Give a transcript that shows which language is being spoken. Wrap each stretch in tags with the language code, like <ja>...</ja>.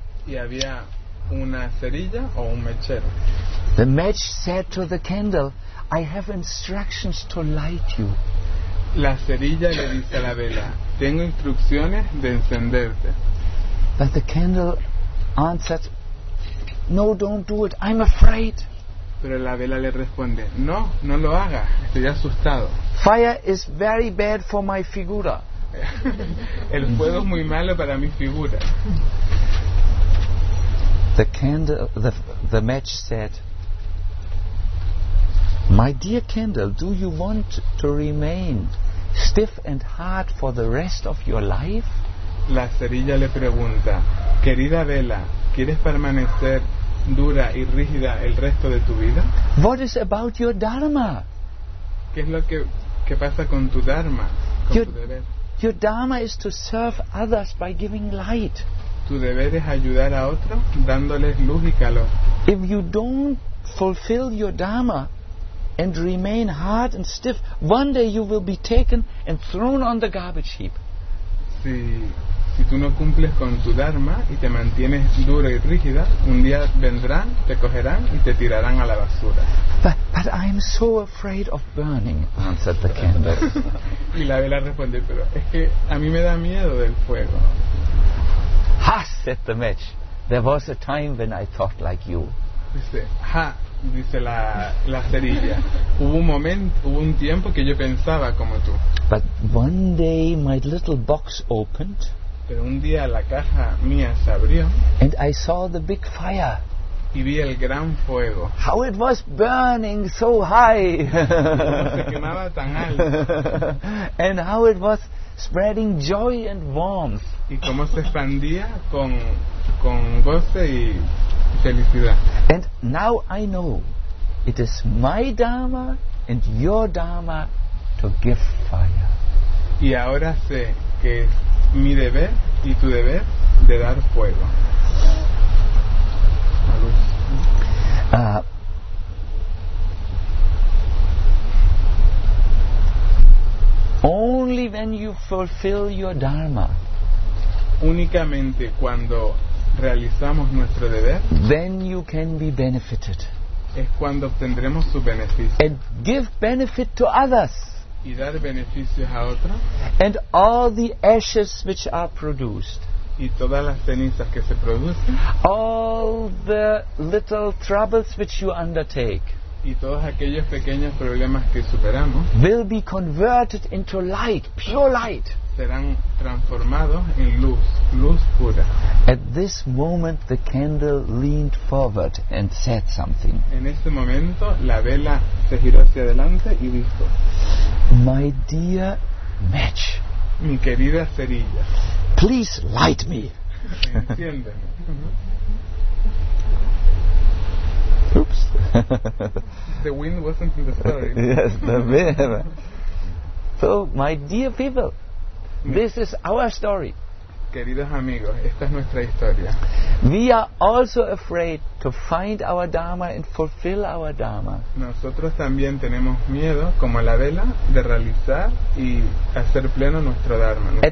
<es>Y había una cerilla o un mechero.</es> <en>The match said to the candle, I have instructions to light you.</en> <es>La cerilla le dice a la vela, tengo instrucciones de encenderte.</es> <en>But the candle answered, no, don't do it, I'm afraid.</en> <es>Pero la vela le responde, no, no lo haga, estoy asustado.</es> <en>Fire is very bad for my figura.</en> <es>El fuego es muy malo para mi figura.</es> <en>The match said, My dear Kendall, do you want to remain stiff and hard for the rest of your life?</en> <es>La cerilla le pregunta, querida vela, ¿quieres permanecer dura y rígida el resto de tu vida?</es> <en>What is about your dharma?</en> <es>¿Qué es lo que pasa con tu dharma, con tu deber?</es> <en>Your dharma is to serve others by giving light.</en> <es>Tu deber es ayudar a otros dándoles luz y calor.</es> <en>If you don't fulfill your dharma and remain hard and stiff, one day you will be taken and thrown on the garbage heap.</en> <es>Si tú no cumples con tu dharma y te mantienes dura y rígida, un día vendrán, te cogerán y te tirarán a la basura.</es> <en>But I am so afraid of burning, answered the candle.</en> <es>Y la vela responde, pero es que a mí me da miedo del fuego.</es> <en>Ha, said the match. There was a time when I thought like you.</en> <es>Dice, ha, dice la cerilla. Hubo un tiempo que yo pensaba como tú.</es> <en>But one day my little box opened.</en> <es>Pero un día la caja mía se abrió.</es> <en>And I saw the big fire.</en> <es>Y vi el gran fuego.</es> <en>How it was burning so high.</en> <es>Cómo se quemaba tan alto.</es> <en>And how it was spreading joy and warmth.</en> <es>Y cómo se expandía con goce y felicidad.</es> <en>And now I know it is my dharma and your dharma to give fire.</en> <es>Y ahora sé que es mi deber y tu deber de dar fuego. La luz.</es> <en>Only when you fulfill your dharma,</en> <es>únicamente cuando realizamos nuestro deber,</es> <en>then you can be benefited.</en> <es>Es cuando obtendremos su beneficio.</es> <en>And give benefit to others.</en> <es>Y dar beneficios a otros.</es> <en>And all the ashes which are produced.</en> <es>Y todas las cenizas que se producen.</es> <en>All the little troubles which you undertake.</en> <es>Y todos aquellos pequeños problemas que superamos.</es> <en>Will be converted into light, pure light.</en> <es>Serán transformados en luz, luz pura.</es> <en>At this moment, the candle leaned forward and said something.</en> <es>En ese momento, la vela se giró hacia adelante y dijo:</es> <en>My dear match.</en> <es>Mi querida cerilla.</es> <en>Please light me.</en> <es>Enciéndeme.</es> <en>Oops. The wind wasn't in the story. Yes, the wind. So, my dear people, this is our story.</en> <es>Queridos amigos, esta es nuestra historia.</es> <en>We are also afraid to find our dharma and fulfill our dharma.</en> <es>Nosotros también tenemos miedo, como la vela, de realizar y hacer pleno nuestro dharma.</es>